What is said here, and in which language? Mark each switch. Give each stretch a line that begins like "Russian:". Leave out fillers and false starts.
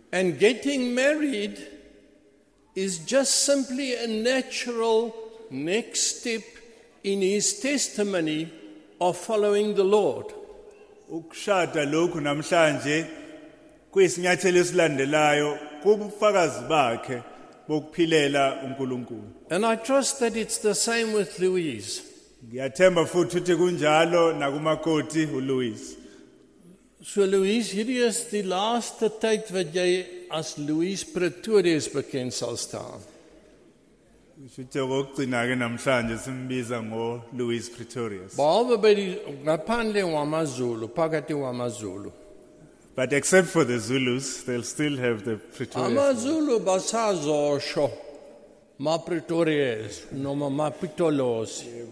English: And getting married is just simply a natural next step in his testimony of following the Lord.
Zulu: Ukushada lokhu namhlanje kuyisinyathelo esilandelayo kubufakazi bakhe bokuphilela uNkulunkulu.
English: And I trust that it's the same with Louise.
Zulu: Ngiyathemba futhi ukuthi kunjalo nakumakoti uLouise.
Afrikaans: So Louise, hierdie is die laaste tyd wat jy as Louise Pretorius bekend sal staan.
English: But except for the Zulus, they'll still have the Pretorius.
Zulu: AmaZulu basazo sho ma Pretorius noma ma Pitolos.